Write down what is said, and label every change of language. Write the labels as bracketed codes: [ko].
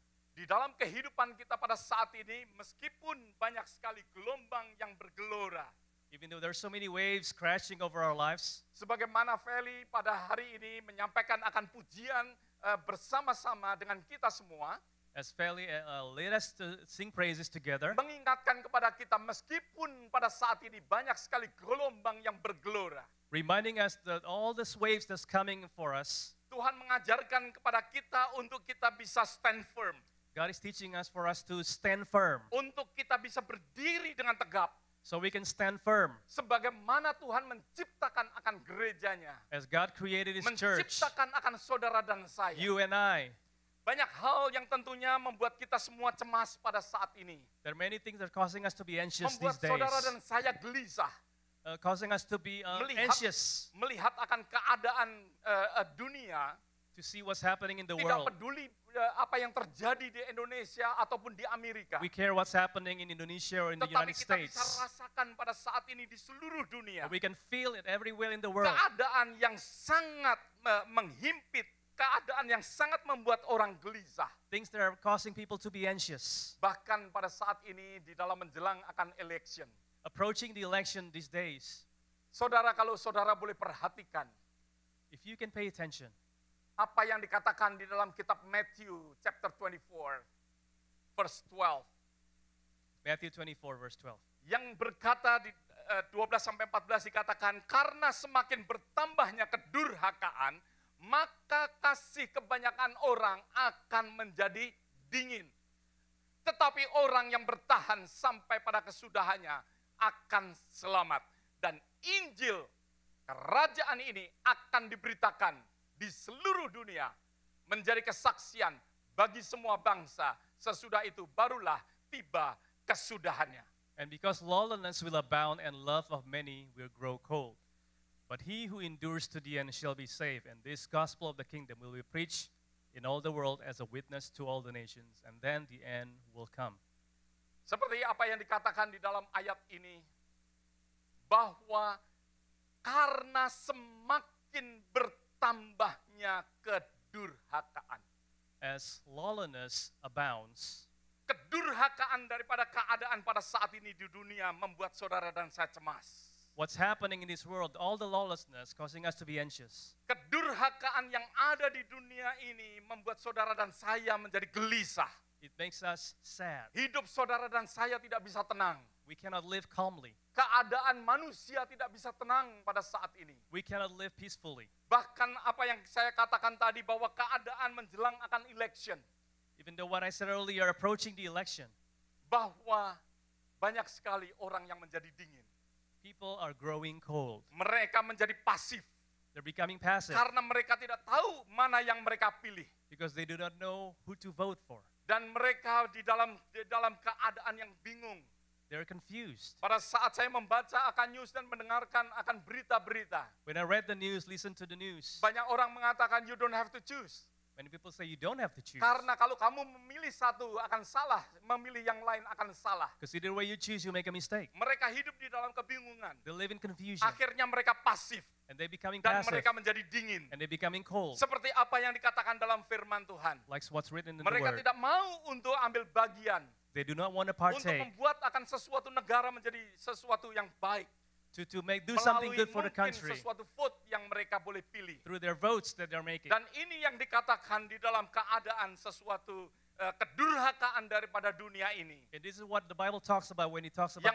[id] Di dalam kehidupan kita pada saat ini, meskipun banyak sekali gelombang yang bergelora, [en] even though there are so many waves crashing over our lives, [id] sebagaimana Feli pada hari ini menyampaikan akan pujian bersama-sama dengan kita semua, [en] as Feli led us to sing praises together, [id] mengingatkan kepada kita meskipun pada saat ini banyak sekali gelombang yang bergelora, [en] reminding us that all these waves that's coming for us, [id] Tuhan mengajarkan kepada kita untuk kita bisa [en] stand firm. God is teaching us for us to stand firm. [id] Untuk kita bisa berdiri dengan tegap. [en] So we can stand firm. [id] Sebagaimana Tuhan menciptakan akan gerejanya. [en] As God created his [id] menciptakan [en] church. [id] Menciptakan akan saudara dan saya. [en] You and I. [id] Banyak hal yang tentunya membuat kita semua cemas pada saat ini. [en] There are many things that are causing us to be anxious these days. [id] Membuat saudara dan saya gelisah. [en] Causing us to be anxious. [id] Melihat akan keadaan dunia. [en] To see what's happening in the [id] tidak [en] world. [id] Tidak peduli apa yang terjadi di Indonesia ataupun di Amerika. [en] We care what's happening in Indonesia or in [id] tetapi [en] the United States. [id] Tetapi kita bisa rasakan pada saat ini di seluruh dunia. [en] But we can feel it everywhere in the world. [id] Keadaan yang sangat menghimpit, keadaan yang sangat membuat orang gelisah. [en] Things that are causing people to be anxious. [id] Bahkan pada saat ini di dalam menjelang akan election. [en] Approaching the election these days. [id] Saudara, kalau saudara boleh perhatikan. [en] If you can pay attention. [id] Apa yang dikatakan di dalam kitab Matthew [en] chapter 24 verse 12. Matthew 24 verse 12. [id] Yang berkata di 12 sampai 14 dikatakan karena semakin bertambahnya kedurhakaan, maka kasih kebanyakan orang akan menjadi dingin. Tetapi orang yang bertahan sampai pada kesudahannya akan selamat dan Injil kerajaan ini akan diberitakan di seluruh dunia menjadi kesaksian bagi semua bangsa. Sesudah itu barulah tiba kesudahannya. [en] And because lawlessness will abound and love of many will grow cold. But he who endures to the end shall be saved. And this gospel of the kingdom will be preached in all the world as a witness to all the nations. And then the end will come. [id] Seperti apa yang dikatakan di dalam ayat ini. Bahwa karena semakin bertambahnya kedurhakaan. [en] As lawlessness abounds. [id] Kedurhakaan daripada keadaan pada saat ini di dunia membuat saudara dan saya cemas. [en] What's happening in this world, all the lawlessness causing us to be anxious. [id] Kedurhakaan yang ada di dunia ini membuat saudara dan saya menjadi gelisah. [en] It makes us sad. [id] Hidup saudara dan saya tidak bisa tenang. [en] We cannot live calmly. [id] Keadaan manusia tidak bisa tenang pada saat ini. [en] We cannot live peacefully. [id] Bahkan apa yang saya katakan tadi bahwa keadaan menjelang akan election. [en] Even though what I said earlier approaching the election. [id] Bahwa banyak sekali orang yang menjadi dingin. [en] People are growing cold. [id] Mereka menjadi pasif. [en] They're becoming passive. [id] Karena mereka tidak tahu mana yang mereka pilih. [en] Because they do not know who to vote for. [id] Dan mereka di dalam keadaan yang bingung. [en] They're confused. [id] Pada saat saya membaca akan news dan mendengarkan akan berita-berita. [en] When I read the news, listen to the news. [id] Banyak orang mengatakan [en] you don't have to choose. Many people say you don't have to choose. [id] Karena kalau kamu memilih satu akan salah, memilih yang lain akan salah. [en] Because either way you choose, you make a mistake. [id] Mereka hidup di dalam kebingungan. [en] They live in confusion. [id] Akhirnya mereka pasif. [en] And they becoming [id] dan [en] passive. [id] Dan mereka menjadi dingin. [en] And they becoming cold. [id] Seperti apa yang dikatakan dalam firman Tuhan. [en] Like what's written in the [id] mereka [en] word. [id] Mereka tidak mau untuk ambil bagian. [en] They do not want to partake. [id] Untuk membuat akan sesuatu negara menjadi sesuatu yang baik. [en] To make do something good for the country. [id] Sesuatu vote yang mereka boleh pilih. [en] Through their votes that they're making. [id] Dan ini yang dikatakan di dalam keadaan sesuatu kedurhakaan daripada dunia ini. [en] And this is what the Bible talks about when it talks about